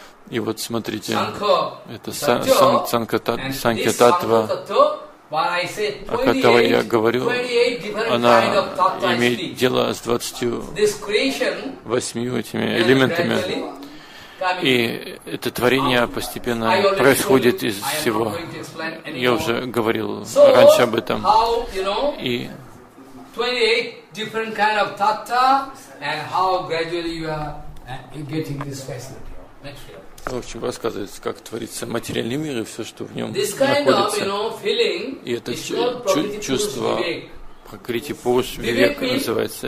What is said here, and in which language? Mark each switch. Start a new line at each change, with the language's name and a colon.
Russian: И вот смотрите, это Санкхя-таттва, о которой я говорю, она имеет дело с 28 этими элементами. И это творение постепенно происходит из всего. Я уже говорил раньше об этом. И
English: 28 different kind of tattva and how gradually you are getting this facility.
Russian: В общем, рассказывается, как творится материальный мир и все, что в нем находится. И это чувство Пракрити Пуруш Вивек называется.